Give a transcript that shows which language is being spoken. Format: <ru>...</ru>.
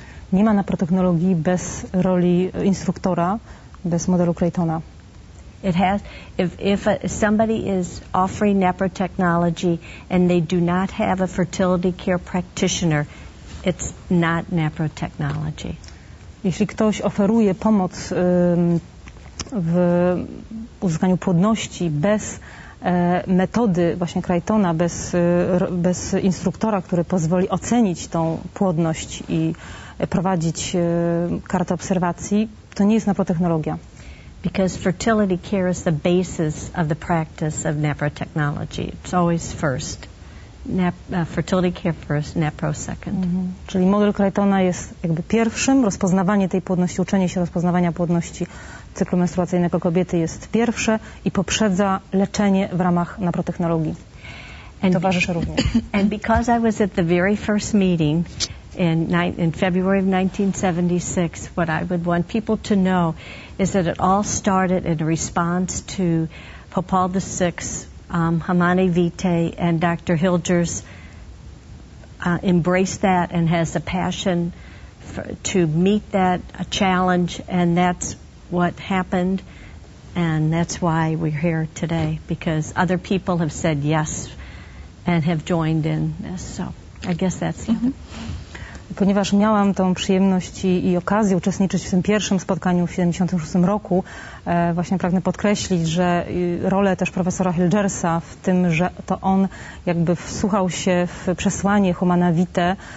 <pl>Nie ma NAPRA technologii bez roli instruktora, bez modelu Claytona.</pl> <en>It has. If somebody is offering NAPRA technology and they do not have a fertility care practitioner, it's not NAPRA technology.</en> <pl>Jeśli ktoś oferuje pomoc w uzyskaniu płodności bez metody właśnie Claytona, bez instruktora, który pozwoli ocenić tą płodność i prowadzić kartę obserwacji, to nie jest NAPRA technologia.</pl> <en>Because fertility care is the basis of the practice of NAPRA technology. It's always first. Fertility care first, NAPRA second. Mm-hmm.</en> <pl>Czyli model Claytona jest jakby pierwszym, rozpoznawanie tej płodności, uczenie się rozpoznawania płodności cyklu menstruacyjnego kobiety jest pierwsze i poprzedza leczenie w ramach NAPRA technologii. Towarzyszy również.</pl> <en>And because I was at the very first meeting in February of 1976, what I would want people to know is that it all started in response to Pope Paul VI, Humanae Vitae, and Dr. Hilgers embraced that and has a passion to meet that challenge, and that's what happened, and that's why we're here today, because other people have said yes and have joined in this. So I guess that's the other.</en> <pl>Ponieważ miałam tą przyjemność i okazję uczestniczyć w tym pierwszym spotkaniu w 1976 roku, właśnie pragnę podkreślić, że rolę też profesora Hilgersa w tym, że to on jakby wsłuchał się w przesłanie Humanae Vitae</pl>